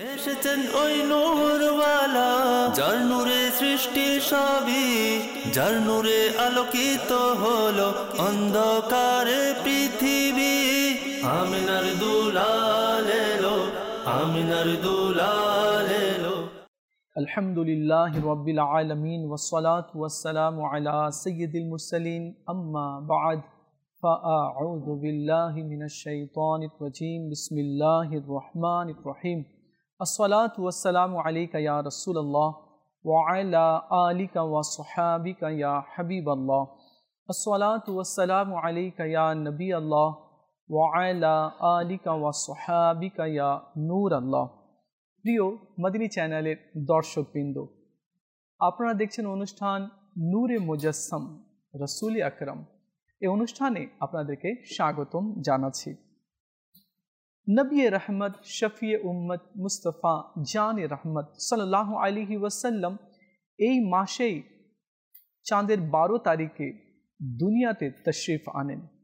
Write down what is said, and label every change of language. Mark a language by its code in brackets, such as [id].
[bn] এসেছেন ওই নূরওয়ালা, যার নূরে সৃষ্টি সবই, যার নূরে আলোকিত হলো অন্ধকারে পৃথিবী। আমিনার দুলাল এলো, আমিনার দুলাল এলো। [ar] আলহামদুলিল্লাহ রাব্বিল আলামিন, ওয়াসসালাতু ওয়াসসালামু আলা সাইয়্যিদিল মুরসালিন, আম্মা বাদ। فأعوذ بالله من الشيطان الرجيم، بسم الله الرحمن الرحيم، الصلاة والسلام عليك يا رسول الله وعلى آلك وصحابك يا حبيب الله، الصلاة والسلام عليك يا نبي الله وعلى آلك وصحابك يا نور الله। [bn] প্রিয় মদিনী চ্যানেলের দর্শকবৃন্দ, আপনারা দেখছেন অনুষ্ঠান নূরে মুজাসসাম রাসূল আকরাম। এই অনুষ্ঠানে আপনাদেরকে স্বাগতম জানাচ্ছি। নবী রহমত শফিয়ে উম্মত মুস্তফা জানে রহমত সাল্লাল্লাহু আলাইহি ওয়াসাল্লাম এই মাসেই চাঁদের ১২ তারিখে দুনিয়াতে তশরিফ আনেন।